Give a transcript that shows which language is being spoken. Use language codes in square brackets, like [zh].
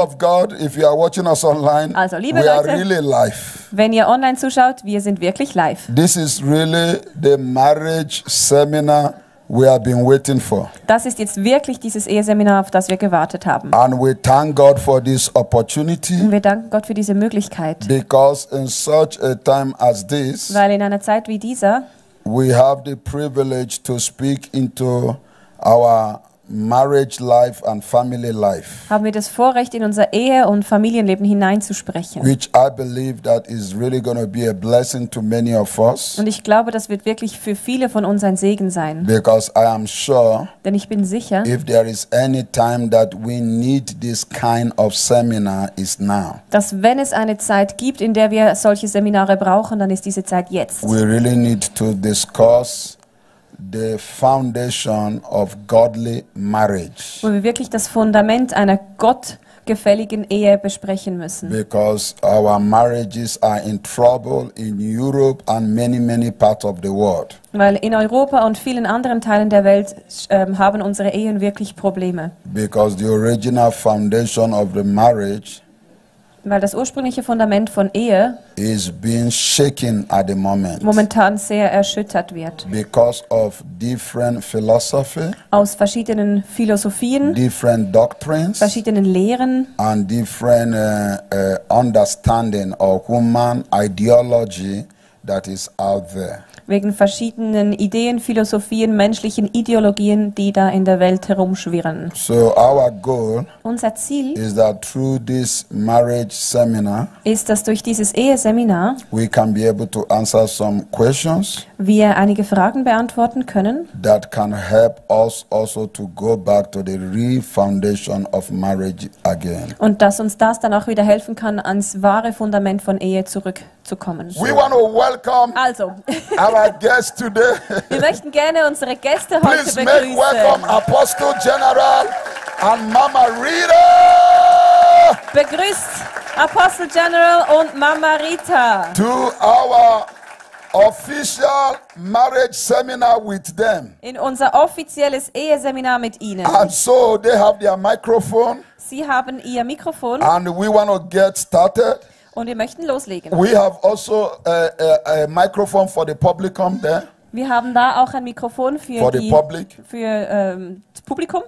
[en] of God, if you are watching us online, [de] also, liebe [en] we [de] Leute, [en] are really live. [de] Wenn ihr online zuschaut, wir sind wirklich live. [en] This is really the marriage seminar we have been waiting for. [de] Das ist jetzt wirklich dieses Eheseminar, auf das wir gewartet haben. [en] And we thank God for this opportunity. [de] Und wir danken Gott für diese Möglichkeit. [en] Because in such a time as this, [de] weil in einer Zeit wie dieser, [en] we have the privilege to speak into our marriage life and family life. [de] Haben wir das Vorrecht, in unser Ehe- und Familienleben hineinzusprechen. [en] Which I believe that is really going to be a blessing to many of us. [de] Und ich glaube, das wird wirklich für viele von uns ein Segen sein. [en] Because I am sure. [de] Denn ich bin sicher. [en] If there is any time that we need this kind of seminar, is now. [de] Dass wenn es eine Zeit gibt, in der wir solche Seminare brauchen, dann ist diese Zeit jetzt. [en] We really need to discuss the foundation of godly marriage. [de] Wo wir wirklich das Fundament einer gottgefälligen Ehe besprechen müssen. [en] Because our marriages are in trouble in Europe and many, many parts of the world. [de] Weil in Europa und vielen anderen Teilen der Welt haben unsere Ehen wirklich Probleme. [en] Because the original foundation of the marriage, [de] weil das ursprüngliche Fundament von Ehe [en] is being shaken at the moment, [de] momentan sehr erschüttert wird. [en] Because of different philosophy, [de] aus verschiedenen Philosophien, [en] different doctrines, [de] verschiedenen Lehren [en] and different understanding of human ideology that is out there. [de] Wegen verschiedenen Ideen, Philosophien, menschlichen Ideologien, die da in der Welt herumschwirren. [en] So our goal, [de] unser Ziel [en] is that through this marriage seminar, [de] ist, dass durch dieses Eheseminar [en] we can be able to answer some questions, [de] wir einige Fragen beantworten können, [en] that can help us also to go back to the real foundation of marriage again. [de] Und dass uns das dann auch wieder helfen kann, ans wahre Fundament von Ehe zurückzukommen. [en] We want to welcome. [de] Also. [en] Our guest today. [de] Wir möchten gerne unsere Gäste heute begrüßen. [en] Please make welcome Apostle General and Mama Rita. [de] Begrüßt Apostle General und Mama Rita. [en] To our official marriage seminar with them. [de] In unser offizielles Eheseminar mit ihnen. [en] And so they have their microphone. [de] Sie haben ihr Mikrofon. [en] And we want to get started. [de] Und wir möchten loslegen. [en] We have also a microphone for the publicum there. [de] Wir haben da auch ein Mikrofon für das Publikum.